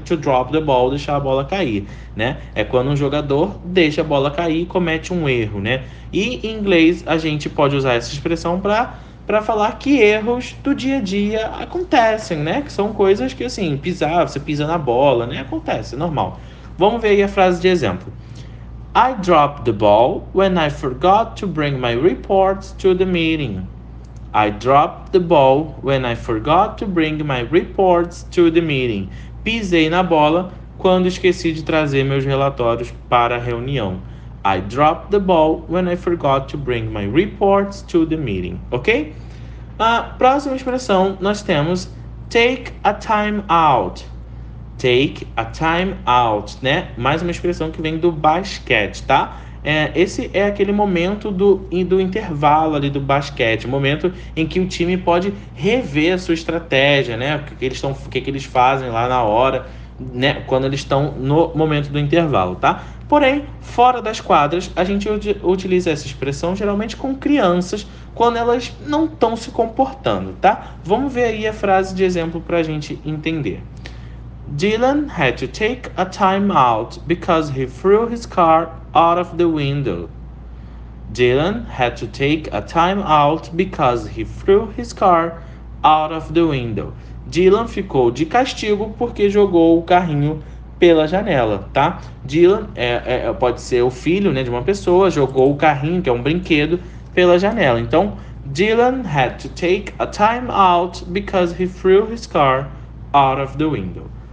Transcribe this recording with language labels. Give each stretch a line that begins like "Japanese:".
Portuguese: To drop the ball, deixar a bola cair, né? É quando um jogador deixa a bola cair e comete um erro, né? E em inglês a gente pode usar essa expressão para falar que erros do dia a dia acontecem, né? Que são coisas que, assim, pisar, você pisa na bola, né? Acontece, é normal. Vamos ver aí a frase de exemplo.
English: I dropped the ball when I forgot to bring my reports to the meeting. I dropped the ball when I forgot to bring my reports to the meeting.
Portuguese: Pisei na bola quando esqueci de trazer meus relatórios para a reunião.
English: I dropped the ball when I forgot to bring my reports to the meeting. Ok?
Portuguese: A próxima expressão nós temos take a time out. Take a time out, né? Mais uma expressão que vem do basquete, tá? É, esse é aquele momento do intervalo ali do basquete, momento em que o time pode rever a sua estratégia, né? O que eles fazem lá na hora, né? Quando eles estão no momento do intervalo, tá? Porém, fora das quadras, a gente utiliza essa expressão geralmente com crianças quando elas não estão se comportando, tá? Vamos ver aí a frase de exemplo para a gente entender.
English: Dylan had to take a time out because he threw his car out of the window. Dylan had to take a time out because he threw his car out of the window.
Portuguese: Dylan ficou de castigo porque jogou o carrinho pela janela, tá? Dylan pode ser o filho, né, de uma pessoa, jogou o carrinho, que é um brinquedo, pela janela. Então,
English: Dylan had to take a time out because he threw his car out of the window.